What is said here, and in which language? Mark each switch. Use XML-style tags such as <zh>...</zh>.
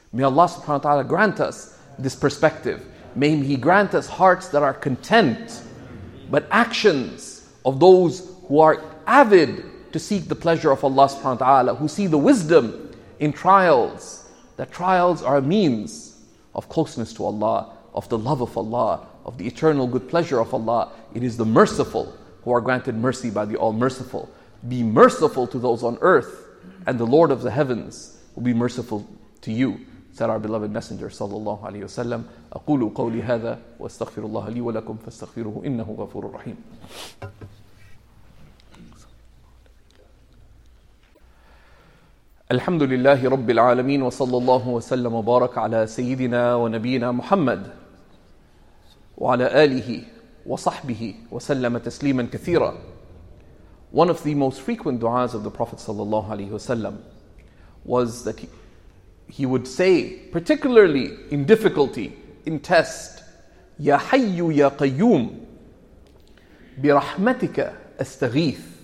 <en>May Allah subhanahu wa ta'ala grant us this perspective. May He grant us hearts that are content, but actions of those who are avid to seek the pleasure of Allah subhanahu wa ta'ala, who see the wisdom in trials, that trials are a means of closeness to Allah, of the love of Allah, of the eternal good pleasure of Allah. It is the merciful who are granted mercy by the All-Merciful. Be merciful to those on earth, and the Lord of the heavens will be merciful to you, said our beloved Messenger sallallahu alayhi wa sallam.</en> <ar>أقول قولي هذا واستغفر الله لي ولكم فاستغفروه إنه غفور رحيم. الحمد لله رب العالمين وصلى الله وسلم وبارك على سيدنا ونبينا محمد وعلى آله وصحبه وسلم تسليما كثيرا.</ar> <en>One of the most frequent du'as of the Prophet sallallahu alayhi wa sallam was that he would say, particularly in difficulty, in test,</en> <ar>Ya Hayyu Ya Qayyum, Bi Rahmatika Astaghith.</ar>